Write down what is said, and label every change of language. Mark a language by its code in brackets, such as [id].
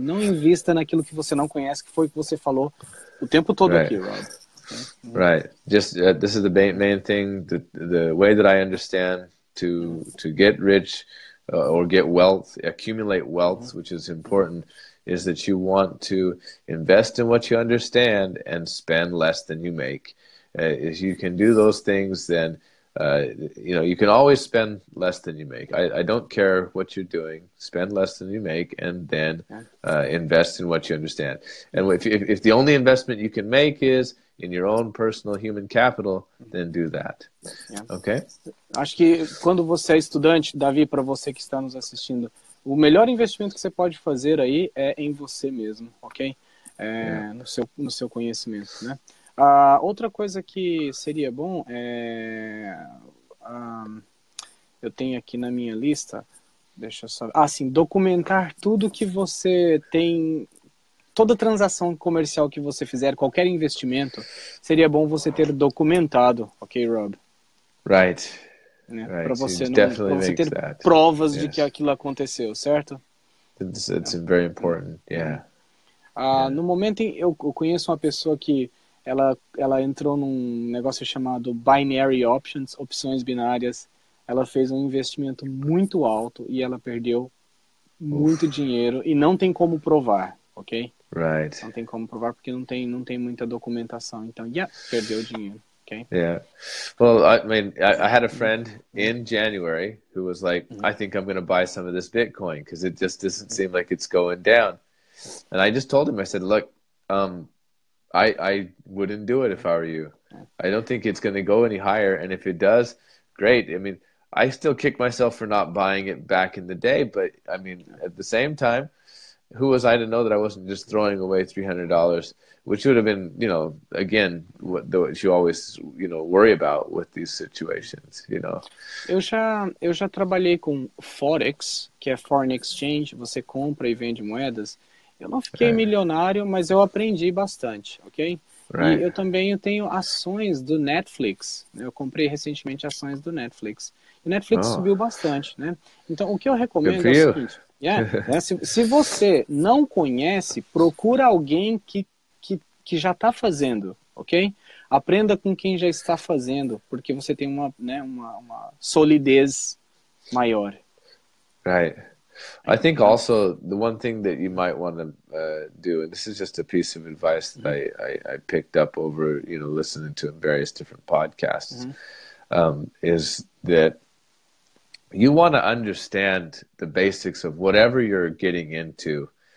[pt] Não invista naquilo que você não conhece, que foi o que você falou o tempo todo [en] right. [pt] aqui, Rob. [en] Right. Just this is the main thing, the way that I understand to get rich or get wealth, accumulate wealth, uh-huh. which is important, is that you want to invest in what you understand and spend less than you make. If you can do those things, then you know, you can always spend less than you make. I don't care what you're doing. Spend less than you make, and then invest in what you understand. And if the only investment you can make is in your own personal human capital, then do that. Yeah. Okay? [pt] Acho que quando você é estudante, Davi, para você que está nos assistindo, o melhor investimento que você pode fazer aí é em você mesmo, ok? No seu conhecimento, né? Outra coisa que seria bom é, eu tenho aqui na minha lista, deixa eu só, assim, documentar tudo que você tem, toda transação comercial que você fizer, qualquer investimento, seria bom você ter documentado, ok, Rob? [en] Right. [pt] Né? [en] Right. [pt] Para você, você ter provas de que aquilo aconteceu, certo? [en] It's very important, yeah. [pt] No momento, eu conheço uma pessoa que ela entrou num negócio chamado [en] binary options, [pt] opções binárias. Ela fez um investimento muito alto e ela perdeu muito dinheiro e não tem como provar, ok? [en] Right. [pt] Não tem como provar porque não tem muita documentação. Então, perdeu dinheiro, ok? [en] Okay. Yeah. Well, I mean, I had a friend in January who was like, I think I'm going to buy some of this Bitcoin because it just doesn't seem like it's going down. And I just told him, I said, look, I wouldn't do it if I were you. I don't think it's going to go any higher. And if it does, great. I mean, I still kick myself for not buying it back in the day. But I mean, at the same time, who was I to know that I wasn't just throwing away $300, which would have been, you know, again, what you always, you know, worry about with these situations, you know. [pt] Eu já trabalhei com Forex, que é [en] foreign exchange, [pt] você compra e vende moedas. Eu não fiquei right. milionário, mas eu aprendi bastante, ok? Right. E eu também eu tenho ações do Netflix. Eu comprei recentemente ações do Netflix. O Netflix subiu bastante, né? Então, o que eu recomendo é o seguinte. Yeah, né? Se você não conhece, procura alguém que já está fazendo, ok? Aprenda com quem já está fazendo, porque você tem uma, né, uma solidez maior. [en] Right. I think also the one thing that you might want to do, and this is just a piece of advice that I picked up over, you know, listening to in various different podcasts, is that you want to understand the basics of whatever you're getting into.